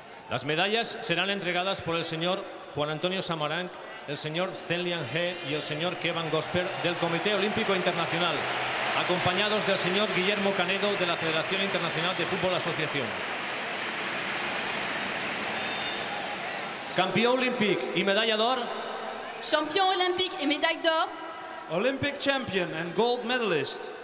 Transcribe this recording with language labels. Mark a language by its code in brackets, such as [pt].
[es] Las medallas serán entregadas por el señor Juan Antonio Samaranch, el señor Celian He y el señor Kevin Gosper del Comité Olímpico Internacional, acompañados del señor Guillermo Canedo de la Federación Internacional de Fútbol Asociación. Campeón olímpico y medalla d'or. [fr] Champion olympique et médaille d'or. [en] Olympic champion and gold medalist.